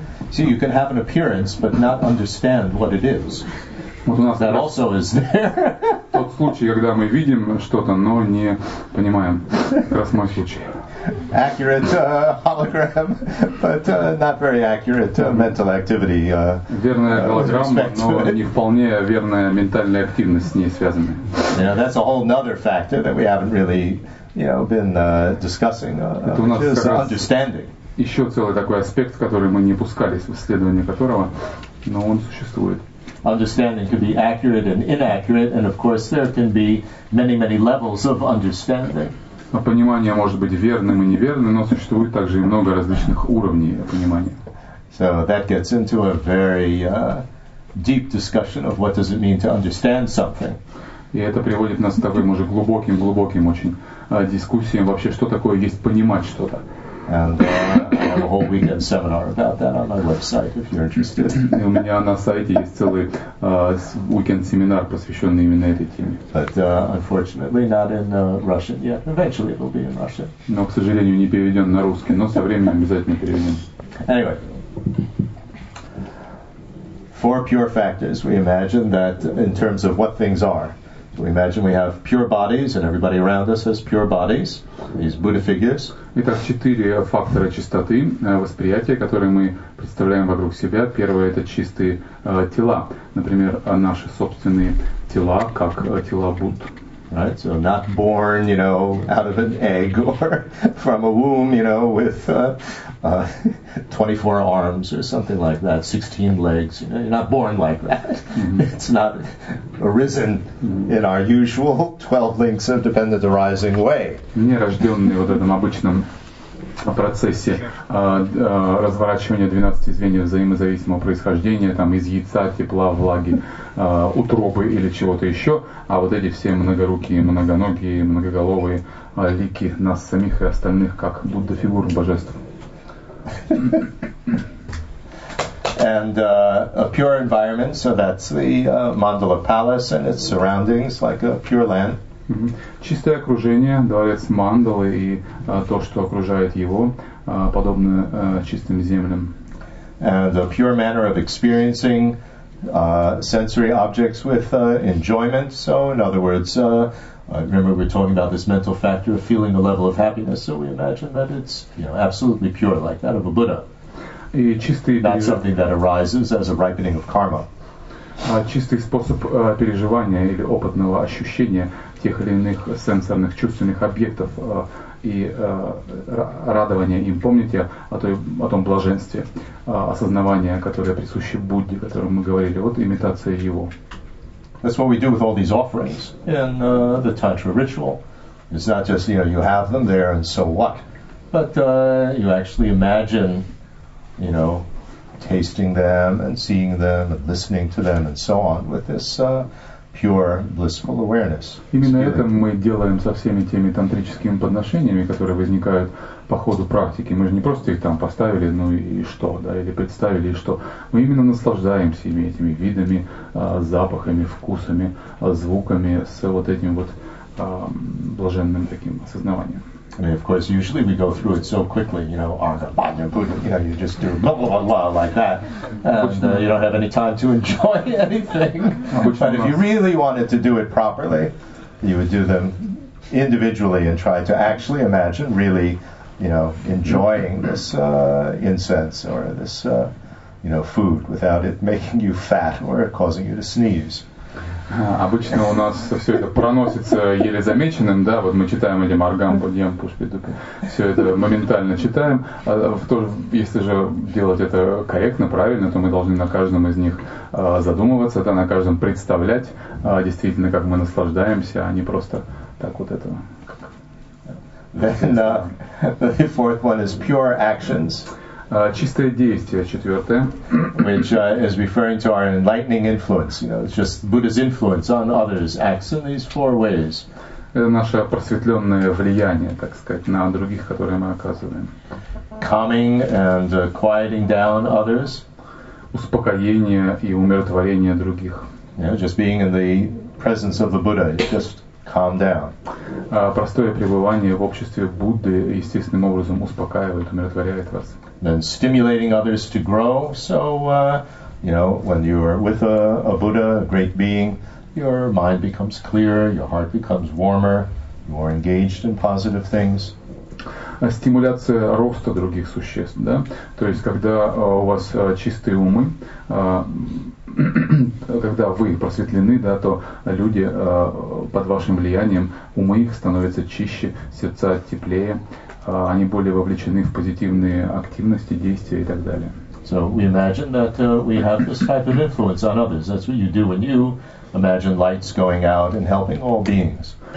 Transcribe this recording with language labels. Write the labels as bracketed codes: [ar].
[en] See, you can have an appearance, but not understand what it is. [ru] Вот у нас [en] that also is there. [ru] Тот случай, когда мы видим что-то, но не понимаем. Как раз мой случай. [en] Accurate hologram, but not very accurate mental activity. [ru] Верная голограмма, но не вполне верная ментальная активность с ней связана. [en] Yeah, that's a whole another factor that we haven't really, you know, been discussing. [ru] Это у нас [en] which is understanding. [ru] Еще целый такой аспект, который мы не пускались в исследование которого, но он существует. [en] Understanding could be accurate and inaccurate, and of course there can be many, many levels of understanding. [ru] А понимание может быть верным и неверным, но существует также и много различных уровней понимания. [en] So that gets into a very deep discussion of what does it mean to understand something. [ru] И это приводит нас к таким уже глубоким очень дискуссиям вообще, что такое есть понимать что-то. [en] And I have a whole weekend seminar about that on my website if you're interested. [ru] И у меня на сайте есть целый weekend семинар, посвященный именно этой теме. [en] But unfortunately not in Russian yet. Eventually it will be in Russian. [ru] Но, к сожалению, не переведен на русский, но со временем обязательно переведем. [en] Anyway. Four pure factors. We imagine that in terms of what things are. We imagine we have pure bodies, and everybody around us has pure bodies. These Buddha figures. [ru] Итак, четыре фактора чистоты восприятия, которые мы представляем вокруг себя. Первое – это чистые тела, например, наши собственные тела, как тела Будд. [en] Right, so not born, you know, out of an egg or from a womb, you know, with 24 arms or something like that, 16 legs. You know, you're not born like that. Mm-hmm. It's not arisen in our usual 12 links of dependent arising way. [ru] Не рожденный вот этом обычном о процессе разворачивания 12 звеньев взаимозависимого происхождения, там, из яйца, тепла, влаги, утробы или чего-то еще, а вот эти все многорукие, многоногие, многоголовые лики нас самих и остальных, как Будда фигур божеств. [en] And a pure environment, so that's the mandala palace and its surroundings, like a pure land. [ru] Чистое окружение, дворец мандалы и то, что окружает его, подобно чистым землям. [en] And a pure manner of experiencing sensory objects with enjoyment. So, in other words, remember we're talking about this mental factor of feeling a level of happiness. So we imagine that it's, you know, absolutely pure, like that of a Buddha. [ru] И чистый [en] not something that arises as a ripening of karma. [ru] Чистый способ переживания или опытного ощущения тех или иных сенсорных, чувственных объектов и радования им. Помните о том блаженстве, осознавания, которое присуще Будде, о котором мы говорили, вот имитация его. [en] That's what we do with all these offerings in the Tantra ritual. It's not just, you know, you have them there and so what. But you actually imagine, you know, tasting them and seeing them and listening to them and so on with this pure blissful awareness. [ru] Именно это мы делаем со всеми теми тантрическими подношениями, которые возникают по ходу практики. Мы же не просто их там поставили, ну и что, да, или представили, и что. Мы именно наслаждаемся ими, этими видами, запахами, вкусами, звуками, с вот этим вот блаженным таким осознаванием. [en] I mean, of course, usually we go through it so quickly, you know, on the Banya Buddha, you know, you just do blah, blah, blah, blah, like that, and you don't have any time to enjoy anything. But if you really wanted to do it properly, you would do them individually and try to actually imagine really, you know, enjoying this incense or this, you know, food without it making you fat or causing you to sneeze. [ru] Обычно у нас все это проносится еле замеченным, да, вот мы читаем эти маргам, будем пушпидупи, все это моментально читаем. Если же делать это корректно, правильно, то мы должны на каждом из них задумываться, да, на каждом представлять действительно, как мы наслаждаемся, а не просто так вот это. [en] Then the fourth one is pure actions. [ru] Чистое действие, четвертое. [en] Which is referring to our enlightening influence. You know, it's just Buddha's influence on others acts in these four ways. [ru] Это наше просветленное влияние, так сказать, на других, которые мы оказываем. [en] Calming and quieting down others. [ru] Успокоение и умиротворение других. [en] You know, just being in the presence of the Buddha, just calm down. [ru] Простое пребывание в обществе Будды естественным образом успокаивает, умиротворяет вас. [en] Then stimulating others to grow. So, you know, when you are with a Buddha, a great being, your mind becomes clearer, your heart becomes warmer, you are engaged in positive things. [ru] Стимуляция роста других существ, да? То есть, когда у вас чистые умы, когда вы просветлены, да, то люди под вашим влиянием, умы их становятся чище, сердца теплее. Они более вовлечены в позитивные активности, действия и так далее. [en] So we imagine that we have this type of influence on others. That's what you do when you imagine lights going out and helping all beings.